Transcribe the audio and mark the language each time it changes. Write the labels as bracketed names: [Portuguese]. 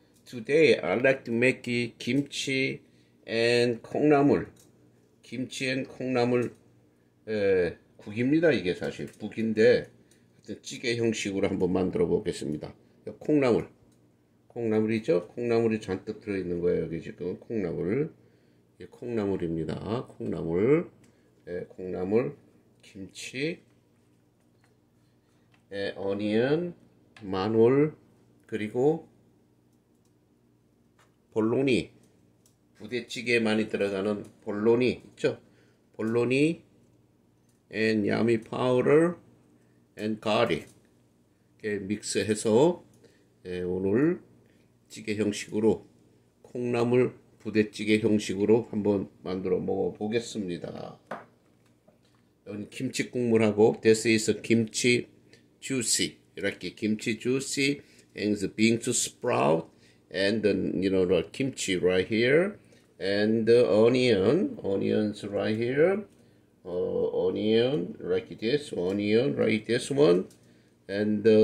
[English] Today I'd like to make kimchi and 콩나물. [Korean] 김치 앤 콩나물 국입니다. 이게 사실 국인데 하여튼 찌개 형식으로 한번 만들어 보겠습니다. 콩나물. 콩나물이죠? 콩나물이 잔뜩 들어 있는 거예요. 여기 지금 콩나물. 이게 콩나물입니다. 콩나물. 콩나물. 김치. 어니언, 마늘, 그리고 볼로니, 부대찌개에 많이 들어가는 볼로니 있죠? 볼로니, 앤 야미 파우더, 앤 가릭 이렇게 믹스해서 오늘 찌개 형식으로 콩나물 부대찌개 형식으로 한번 만들어 먹어보겠습니다. [English] 여기 김치 국물하고 This is 김치 juicy 이렇게 김치 juicy and the beans sprout and then the kimchi right here and the onions right here onion like this onion right this one and